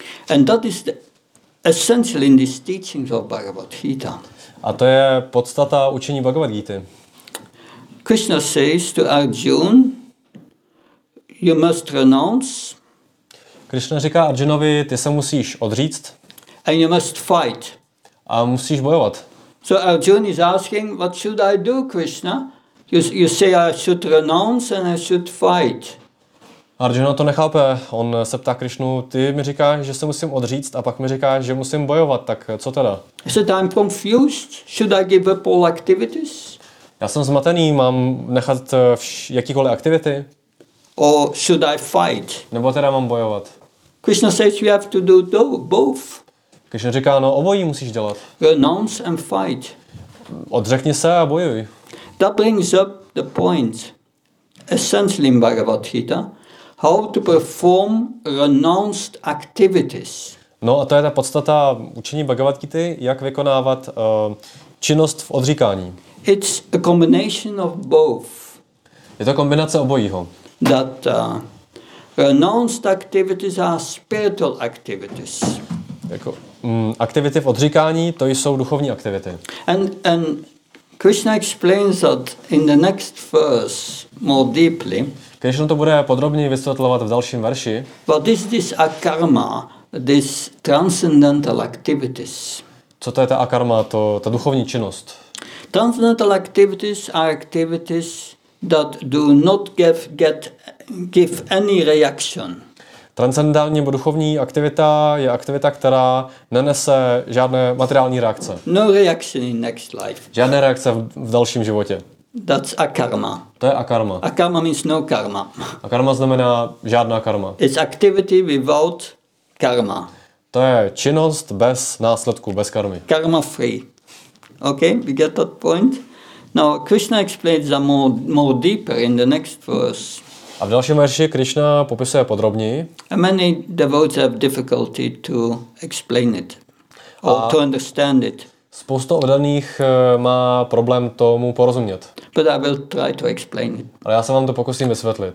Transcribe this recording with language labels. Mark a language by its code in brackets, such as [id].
[en] And that is the essential in these teachings of Bhagavad Gita. [cs] A to je podstata učení Bhagavad Gita. [en] Krishna says to Arjuna, you must renounce. [cs] Krishna říká Arjunovi, ty se musíš odříct. [en] And you must fight. [cs] A musíš bojovat. [en] So Arjuna is asking, what should I do, Krishna? You say I should renounce and I should fight. [cs] Arjuna to nechápe. On se ptá Krišnu, ty mi říkáš, že se musím odříct a pak mi říkáš, že musím bojovat, tak co teda? [en] Is it I'm confused? Should I give up all activities? [cs] Já jsem zmatený, mám nechat jakýkoliv aktivity? [en] Or should I fight? [cs] Nebo teda mám bojovat? [en] Krishna says you have to do both. [cs] Krishna říká, no obojí musíš dělat. [en] Renounce and fight. [cs] Odřekni se a bojuj. [en] That brings up the point essentially in Bhagavad Gita. How to perform renounced activities. [cs] No a to je ta podstata učení Bhagavad Gita, jak vykonávat činnost v odříkání. [en] It's a combination of both. [cs] Je to kombinace obojího. [en] That renounced activities are spiritual activities. [cs] Jako aktivity v odříkání, to jsou duchovní aktivity. [en] And Krishna explains that in the next verse more deeply. [cs] Krishna to bude podrobněji vysvětlovat v dalším verši. [en] What is this akarma, this transcendental activities? [cs] Co to je ta akarma, to ta duchovní činnost? [en] Transcendental activities are activities that do not give any reaction. [cs] Transcendentální duchovní aktivita je aktivita, která nenese žádné materiální reakce. [en] No reaction in next life. [cs] Žádné reakce v dalším životě. [en] That's akarma. [cs] To je akarma. [en] Akarma means no karma. [cs] Akarma znamená žádná karma. [en] It's activity without karma. [cs] To je činnost bez následku, bez karmy. [en] Karma free. Okay, we get that point. Now Krishna explains that more deeper in the next verse. [cs] A v dalším verši Krishna popisuje podrobněji. [en] And many devotees have difficulty to explain it or to understand it. [cs] Spousta oddaných má problém tomu porozumět. [en] But I will try to explain it. [cs] Ale já se vám to pokusím vysvětlit.